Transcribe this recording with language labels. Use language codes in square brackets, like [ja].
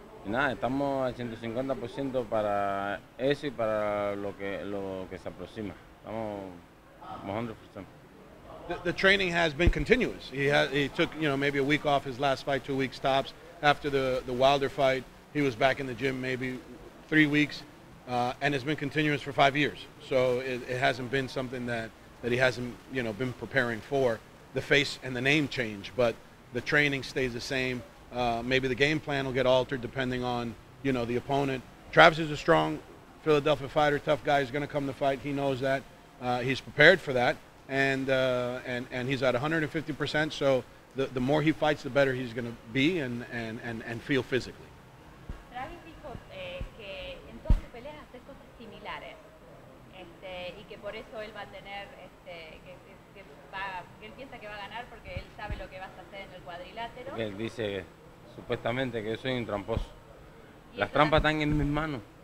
[es] Y nada, estamos al 150% para eso y para lo que se aproxima. Estamos 100%. [en] The training has been continuous. He took, you know, maybe a week off his last fight, 2 weeks tops. After the Wilder fight, he was back in the gym maybe 3 weeks, and it's been continuous for 5 years. So it hasn't been something that he hasn't, you know, been preparing for. The face and the name change, but the training stays the same. Maybe the game plan will get altered depending on, you know, the opponent. Travis is a strong Philadelphia fighter, tough guy. He's going to come to fight. He knows that. He's prepared for that. And he's at 150%, so the more he fights, the better he's going to be and feel physically. [es] Travis dijo que en todas sus peleas hace cosas similares, y que por eso él va a tener, que él piensa que va a ganar porque él sabe lo que vas a hacer en el cuadrilátero. Él dice, supuestamente, que yo soy un tramposo. Las trampas están en mis manos.